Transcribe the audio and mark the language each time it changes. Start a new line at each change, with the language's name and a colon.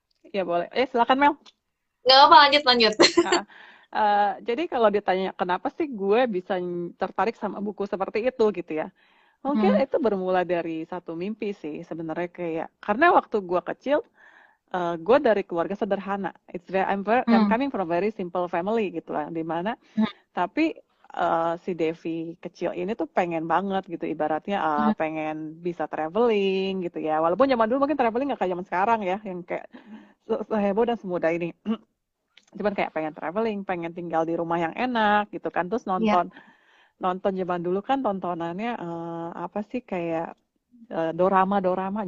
Indonesian: ya boleh. Silakan, Mel. Nggak apa, lanjut lanjut. Jadi kalau ditanya kenapa sih gue bisa tertarik sama buku seperti itu gitu ya. Mungkin itu bermula dari satu mimpi sih sebenarnya kayak. Karena waktu gue kecil, gue dari keluarga sederhana.
English: I'm coming from very simple family
Indonesian: gitu lah. Dimana, tapi si Devi kecil ini tuh pengen banget gitu. Ibaratnya pengen bisa traveling gitu ya. Walaupun zaman dulu mungkin traveling gak kayak zaman sekarang ya. Yang kayak seheboh dan semudah ini. Cuman kayak pengen traveling, pengen tinggal di rumah yang enak gitu kan. Terus nonton, nonton zaman dulu kan tontonannya apa sih kayak dorama-dorama.